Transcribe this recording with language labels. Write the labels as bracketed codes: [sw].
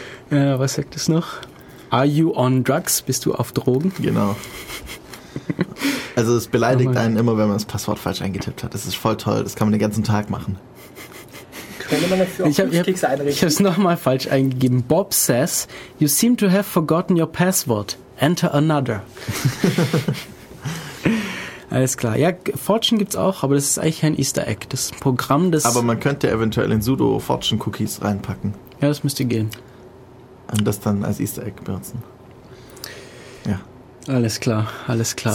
[de] was sagt es noch? [en] Are you on drugs? [de] Bist du auf Drogen? Genau. Also es beleidigt einen immer, wenn man das Passwort falsch eingetippt hat. Das ist voll toll, das kann man den ganzen Tag machen. Ich habe es nochmal falsch eingegeben. [en] Bob says, you seem to have forgotten your password. Enter another. [de] Alles klar. Ja, Fortune gibt's auch, aber das ist eigentlich kein Easter Egg. Das ist ein Programm, das... Aber man könnte eventuell in sudo Fortune-Cookies reinpacken. Ja, das müsste gehen. Und das dann als Easter Egg benutzen. Ja. Alles klar, alles klar.